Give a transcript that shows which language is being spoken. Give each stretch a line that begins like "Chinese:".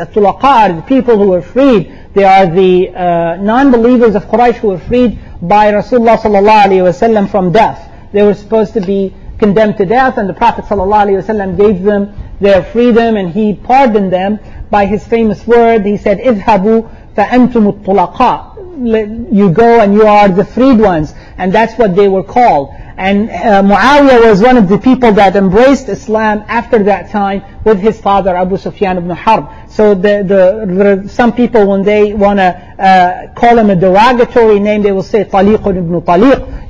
English: At-Tulaqa are the people who were freed. They are the non-believers of Quraysh who were freed by Rasulullah sallallahu alayhi wa sallam from death. They were supposed to be condemned to death, and the Prophet sallallahu alayhi wa sallam gave them their freedom and he pardoned them by his famous word. He said,
Arabic: اذهبوا فأنتم الطلقاء.
English: You go and you are the freed ones. And that's what they were called. And Muawiyah was one of the people that embraced Islam after that time with his father Abu Sufyan ibn Harb. So the some people, when they want to call him a derogatory name, they will say Taliq ibn Taliq.